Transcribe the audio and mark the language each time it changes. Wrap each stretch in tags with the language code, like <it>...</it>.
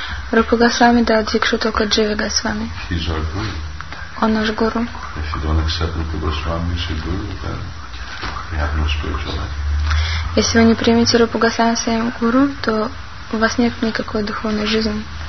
<ru>Рупа Госвами дал дикшу только Дживе Госвами.</ru> <en>He's our guru.</en> <ru>Он наш гуру.</ru> <en>If you don't accept Rupa Goswami as your guru, then you have no spiritual life.</en> <ru>Если вы не примете Рупа Госвами своим гуру, то у вас нет никакой духовной жизни.</ru>